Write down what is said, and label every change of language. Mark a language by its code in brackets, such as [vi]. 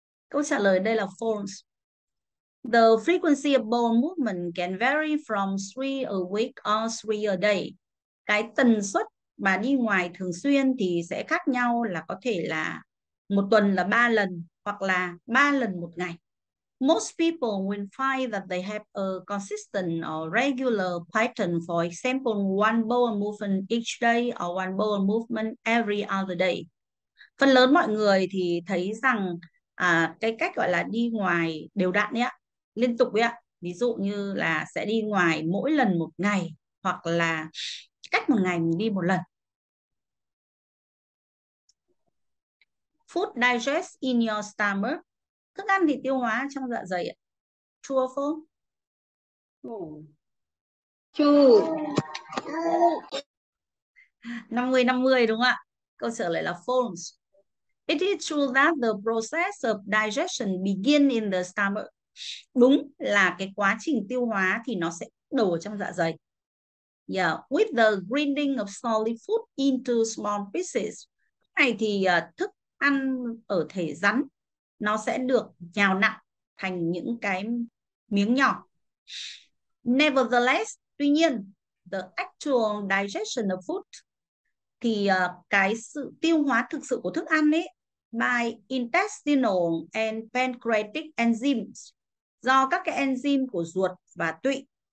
[en] Câu trả lời đây là false. The frequency of bowel movement can vary from 3 a week or 3 a day. [vi] Cái tần suất mà đi ngoài thường xuyên thì sẽ khác nhau, là có thể là một tuần là 3 lần hoặc là 3 lần một ngày. [en] Most people will find that they have a consistent or regular pattern, for example, one bowel movement each day or one bowel movement every other day. [vi] Phần lớn mọi người thì thấy rằng cái cách gọi là đi ngoài đều đặn ấy ạ, liên tục ấy ạ. Ví dụ như là sẽ đi ngoài mỗi lần một ngày hoặc là cách một ngày mình đi một lần. Food digest in your stomach. Thức ăn thì tiêu hóa trong dạ dày. [en] True or false? [vi] 50-50 đúng không ạ? Câu trả lời là false. [en] It is true that the process of digestion begin in the stomach. [vi] Đúng là cái quá trình tiêu hóa thì nó sẽ đổ ở trong dạ dày. [en] With the grinding of solid food into small pieces. [vi] Này thì thức ăn ở thể rắn nó sẽ được nhào nặn thành những cái miếng nhỏ. Nevertheless, tuy nhiên, the actual digestion of food thì cái sự tiêu hóa thực sự của thức ăn ấy by intestinal and pancreatic enzymes, do các cái enzyme của ruột và tụy.